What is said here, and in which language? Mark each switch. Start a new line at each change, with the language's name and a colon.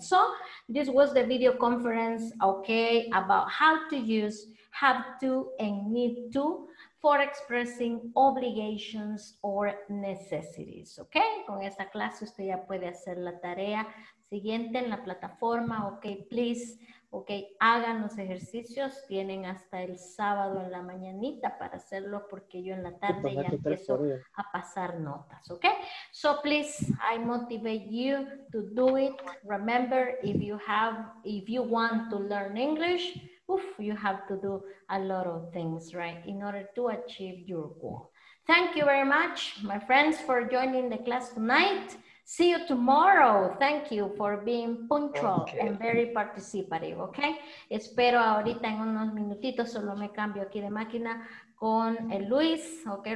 English: So, this was the video conference, ok, about how to use have to and need to for expressing obligations or necessities, ¿ok?
Spanish: Con esta clase usted ya puede hacer la tarea siguiente en la plataforma, ¿ok? Please, ¿ok? Hagan los ejercicios, tienen hasta el sábado en la mañanita para hacerlo porque yo en la tarde ya empiezo a pasar notas, ¿ok?
English: So please, I motivate you to do it. Remember, if you want to learn English, you have to do a lot of things, right, in order to achieve your goal. Thank you very much, my friends, for joining the class tonight. See you tomorrow. Thank you for being punctual and very participative, okay?
Spanish: Espero ahorita en unos minutitos, solo me cambio aquí de máquina con Luis, okay?